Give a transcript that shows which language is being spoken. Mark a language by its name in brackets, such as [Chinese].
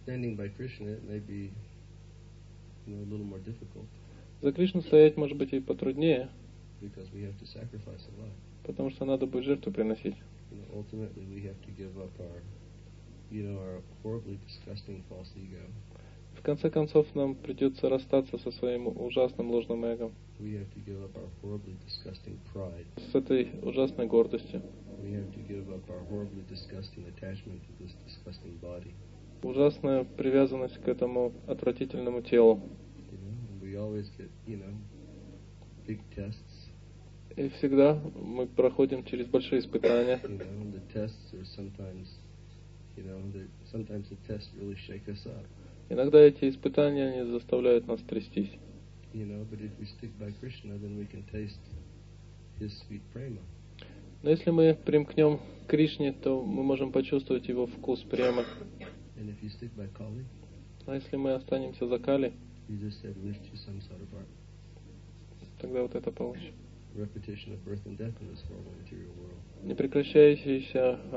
[English] Standing by Krishna, it may be, you know, a little more difficult. [Russian] За Кришну стоять может быть и потруднее. [English] Because we have to sacrifice a lot. [Russian] Потому что надо будет жертву приносить. [English] You know, ultimately we have to give up our, you know, our horribly disgusting false ego. [Russian] В конце концов нам придется расстаться со своим ужасным ложным эго. [English] We have to give up our horribly disgusting pride. [Russian] С этой ужасной гордостью. [English] We have to give up our horribly disgusting attachment to this disgusting body. [Russian] Ужасная привязанность к этому отвратительному телу. [English] We always get, you know, big tests. [Russian] И всегда мы проходим через большие испытания. [English] You know, the tests are sometimes, you know, sometimes the tests really shake us up. [Russian] Иногда эти испытания они заставляют нас трястись. [English] You know, but if we stick by Krishna, then we can taste his sweet prema. [Russian] Но если мы примкнем к Кришне, то мы можем почувствовать его вкус према. [English] Kali, [Russian] а если мы останемся за Кали, [English] said, [Russian] тогда вот это получится. Непрекращающаяся